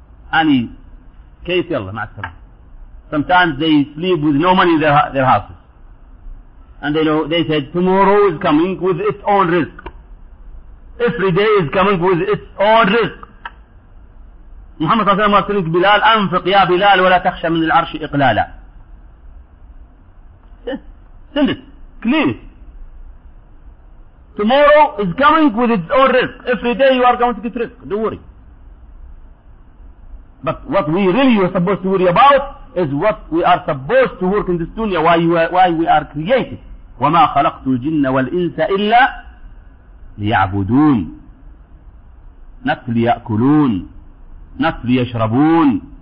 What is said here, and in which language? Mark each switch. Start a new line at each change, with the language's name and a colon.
Arabic: Ani, kayf yalla, ma'asalam.
English: Sometimes they sleep with no money in their houses. And they said, tomorrow is coming with its own risk. Every day is coming with its own risk.
Arabic: Muhammad صلى الله عليه وسلم
English: was telling Bilal,
Arabic: أنفق يا بلال ولا تخشى من العرش إقلالا.
English: Send it. Clear it. Tomorrow is coming with its own risk. Every day you are going to get risk. Don't worry. But what we really are supposed to worry about is what we are supposed to work in this dunya, why we are created.
Arabic: وما خلقت الجن والإنس إلا ليعبدون. Not ليأكلون. Not ليشربون.